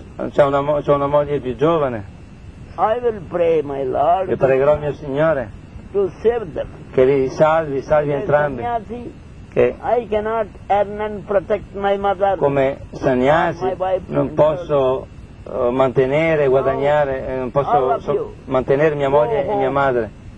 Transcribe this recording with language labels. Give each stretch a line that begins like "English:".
Italian: C'è una moglie più giovane.
English: I will pray my Lord.
Italian: Io pregherò mio Signore.
English: To save them.
Italian: Che li salvi entrambi.
English: Sannyasi, I cannot earn and protect my mother.
Italian: Come sannyasi non posso mantenere, guadagnare, non posso mantenere mia moglie e mia madre.